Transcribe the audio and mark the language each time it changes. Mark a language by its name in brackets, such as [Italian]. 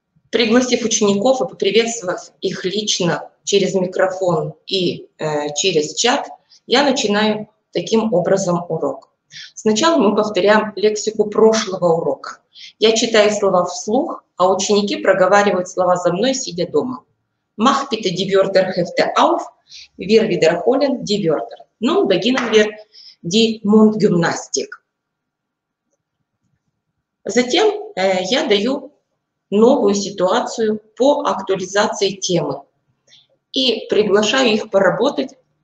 [Russian] Пригласив учеников и поприветствовав их лично через микрофон и через чат, я начинаю таким образом урок. Сначала мы повторяем лексику прошлого урока. Я читаю слова вслух, а ученики проговаривают слова за мной, сидя дома. [German] Mach bitte die Wörter hefte auf, wir wiederholen die Wörter. Nun beginnen wir die Mundgymnastik. [Russian] Затем я даю новую ситуацию по актуализации темы и приглашаю их поработать.